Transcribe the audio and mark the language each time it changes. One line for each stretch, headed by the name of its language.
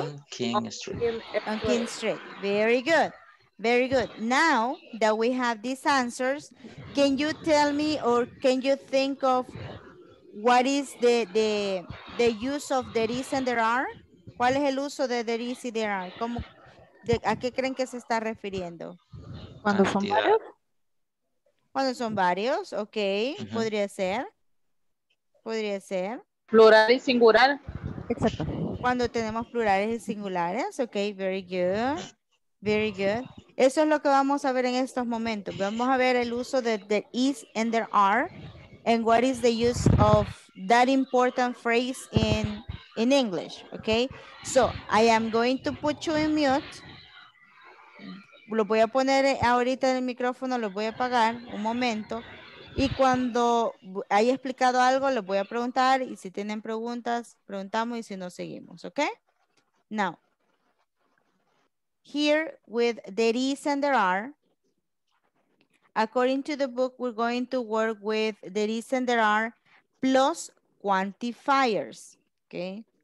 English: On King Street. Very good. Very good. Now that we have these answers, can you tell me or can you think of what is the use of there is and there are?
Spanish: ¿Cuál es el uso de there is y there are? ¿Cómo, de, ¿a qué creen que se está refiriendo? ¿Cuándo son varios? ¿Cuándo son varios? Ok, podría ser. Podría ser. Plural y singular. Exacto. Cuando tenemos plurales y singulares.
English: Ok, very good. Very good.
Spanish: Eso es lo que vamos a ver en estos momentos. Vamos a ver el uso de there is and there are.
English: And what is the use of that important phrase in English, okay? So, I am going to put you in mute.
Spanish: Lo voy a poner ahorita en el micrófono, lo voy a apagar un momento. Y cuando haya explicado algo, les voy a preguntar. Y si tienen preguntas, preguntamos y si no, seguimos, okay?
English: Now, here with there is and there are, according to the book, we're going to work with there is and there are plus quantifiers, okay?